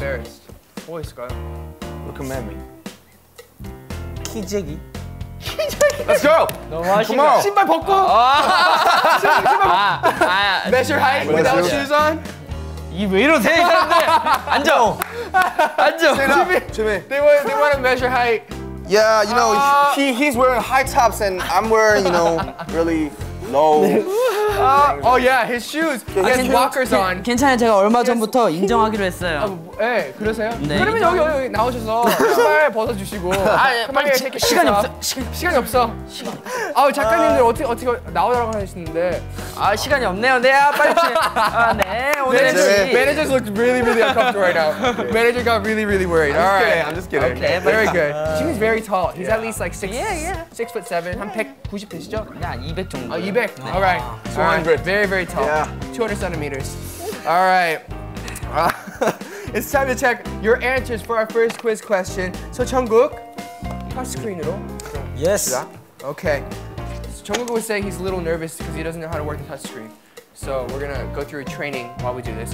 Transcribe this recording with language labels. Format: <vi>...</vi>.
<ko>Embarrassed. 뭐가 있을까요?</ko> <en>Look at me.</en> <ko>키재기.</ko> <en>Let's go!</en> <ko>너무 하시네. 신발 벗고! 신발 벗고!</ko> <en>Measure height without shoes on?</en> <ko>이 왜 이러세요, 이 사람들? 앉아! 앉아! 지민!</ko> <en>They want to measure height. Yeah, you know, he's wearing high tops and I'm wearing, you know, really low. Oh yeah, his shoes. He has walkers on.</en> <ko>괜찮아요, 제가 얼마 전부터 인정하기로 했어요. 네, 그러세요? 그러면 여기 나오셔서 신발 벗어주시고 빨리 체크. 시간이 없어. 아우, 작가님들 어떻게 나오라고 하시는데. 아, 시간이 없네요. 네, 빨리 체크. 네, 오늘은</ko> <en>Manager looks really, really uncomfortable right now. Manager got really, really worried. All right. I'm just kidding. Okay, very good. Jimin's very tall. He's at least like 6 Yeah, yeah.</en> <ko>6'7". 한 190 되시죠? 약 200 정도.</ko> <en>200. All right. 200. Very, very tall. Yeah. 200 centimeters. All right. It's time to check your answers for our first quiz question.</en> <ko>So, 정국, 터치스크린으로.</ko> <en>Yes. Okay. So 정국 was saying he's a little nervous because he doesn't know how to work the touchscreen. So, we're going to go through a training while we do this.</en>